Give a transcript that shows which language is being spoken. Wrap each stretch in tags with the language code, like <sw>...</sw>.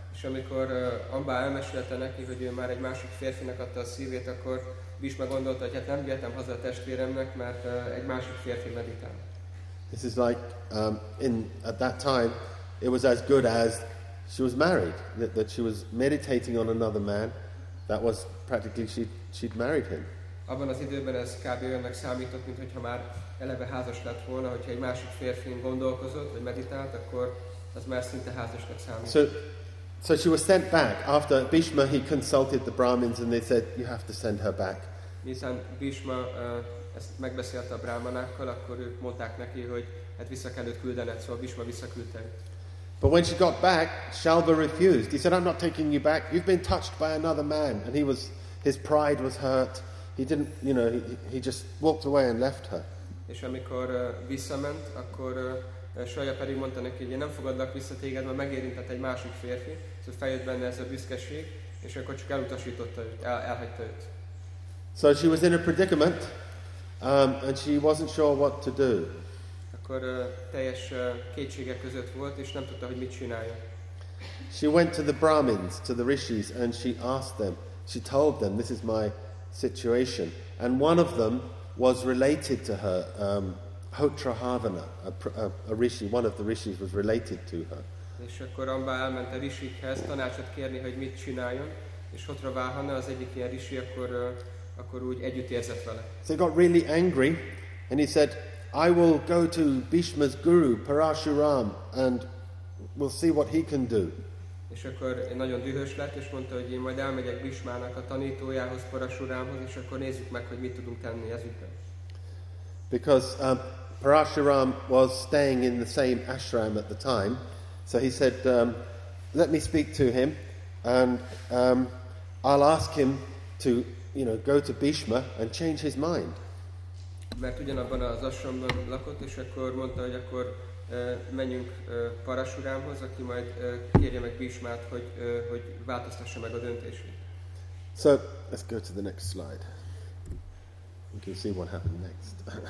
<hu>És amikor Amba elmesélte neki, hogy ő már egy másik férfinek adta a szívét, akkor Bhishma gondolta, hogy hát nem vihetem haza a testvéremnek, mert egy másik férfi meditál.</hu> <en>This is like, at that time, it was as good as she was married, that she was meditating on another man, that was practically she'd married him.</en> <hu>Abban az időben ez kb. Olyannak számított, mint hogyha már eleve házas lett volna, hogyha egy másik férfin gondolkozott, vagy meditált, akkor az már szinte házasnak számított.</hu> <en>So she was sent back. After Bhishma, he consulted the Brahmins and they said, you have to send her back.</en> <hu>Miután Bhishma ezt megbeszélte a brahmanákkal, akkor ők mondták neki, hogy hát vissza kell őt küldened, szóval Bhishma visszaküldte.</hu> <en>But when she got back, Shalva refused. He said, I'm not taking you back. You've been touched by another man. And his pride was hurt. He didn't, you know, he just walked away and left her.</en> <hu>És amikor visszament, akkor Shalya pedig mondta neki, hogy én nem fogadlak vissza téged, mert megérintett egy másik férfi. Szóval feljött benne ez a büszkeség, és akkor csak elutasította őt, elhagyta őt.</hu> <en>So she was in a predicament, and she wasn't sure what to do.</en> <hu>Akkor teljes kétségek között volt, és nem tudta, hogy mit csinálja.</hu> <en>She went to the Brahmins, to the Rishis, and she asked them, she told them, this is my situation. And one of them was related to her, Hotrahavana, a Rishi, one of the Rishis was related to her.</en> <hu>És akkor Amba elment a Rishikhez tanácsot kérni, hogy mit csináljon, és Hotrahavana, az egyik ilyen Rishi, akkor úgy együtt érzett vele.</hu> <en>So he got really angry, and he said, I will go to Bhishma's guru, Parashuram, and we'll see what he can do.</en> <hu>És akkor nagyon dühös lett, és mondta, hogy én majd elmegyek Bhishmának a tanítójához, Parashurámhoz, és akkor nézzük meg, hogy mit tudunk tenni ezügyben.</hu> <en>Because Parashuram was staying in the same ashram at the time, so he said, let me speak to him, and I'll ask him to, you know, go to Bhishma and change his mind.</en> <hu>mert ugyanabban az ashramban lakott, és akkor mondta, hogy akkor menjünk Parasurámhoz, aki majd kérje meg Bhishmát, hogy hogy változtassa meg a döntését.</hu> <en>So, let's go to the next slide. We can see what happened next.</en>